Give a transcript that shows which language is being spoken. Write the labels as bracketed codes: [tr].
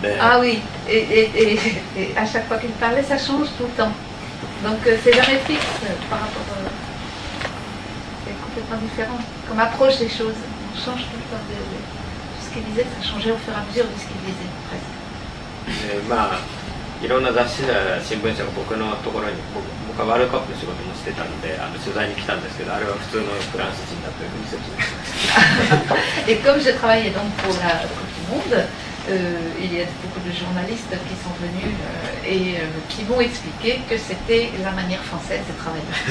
[fr] À chaque fois qu'il parlait, ça change tout le temps. Donc c'est jamais fixe par rapport à. [ja] まあいろんな雑誌や新聞社が僕のところに 僕はワールドカップの仕事もしてたので取材に来たんですけどあれは普通のフランス人だというふうに説明しました [fr] Et comme je travaillais donc pour la Coupe du Monde, il y a beaucoup de journalistes qui sont venus et qui m'ont expliqué que c'était la manière française de travailler.